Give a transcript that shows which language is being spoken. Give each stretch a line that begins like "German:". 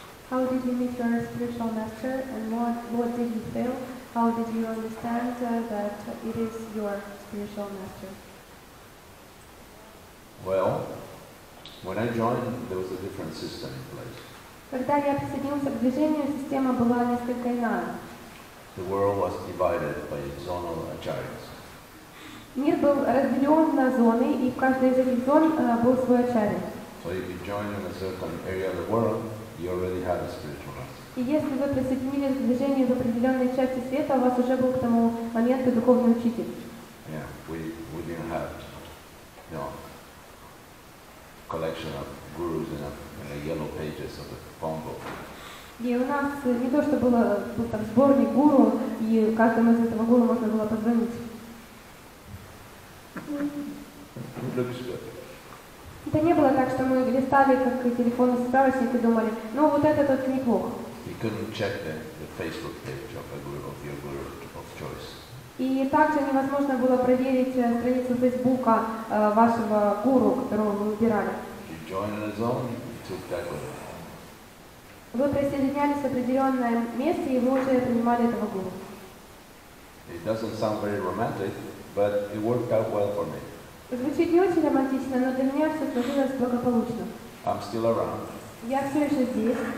English: How did you meet your spiritual master, and what did you feel? How did you understand that it is your spiritual master? Well, when I joined, there was a different system in place.
Russian: Когда я присоединился к движению, система была несколько иная.
English: The world was divided by zonal acharyas.
Russian: Мир был разделен на зоны, и в каждой из этих зон был свой ачарья.
English: So if you join in a certain area of the world, you already have a spiritual master.
Russian: Если вы присоединились к движению в определенной части света, у вас уже был к тому моменту духовный учитель.
English: Yeah, we didn't have, collection of gurus in a yellow pages of the phone book.
Russian: И у нас не то, что было там сборник гуру, и каждому из этого гуру можно было позвонить.
English: It looks good.
Russian: Это не было так, что мы листали как телефонный справочник и думали, ну вот это тут неплохо.
English: You couldn't check the Facebook page of a guru, of your guru of choice.
Russian: И также невозможно было проверить страницу Фейсбука вашего гуру, которого вы выбирали.
English: You join in a zone, you took that guru.
Russian: Вы присоединялись в определенное место, и вы уже принимали этого гуру.
English: It doesn't sound very romantic, but it worked out well for me.
Russian: Звучит не очень романтично, но для меня все сложилось благополучно.
English: I'm still around.
Russian: Я все еще здесь.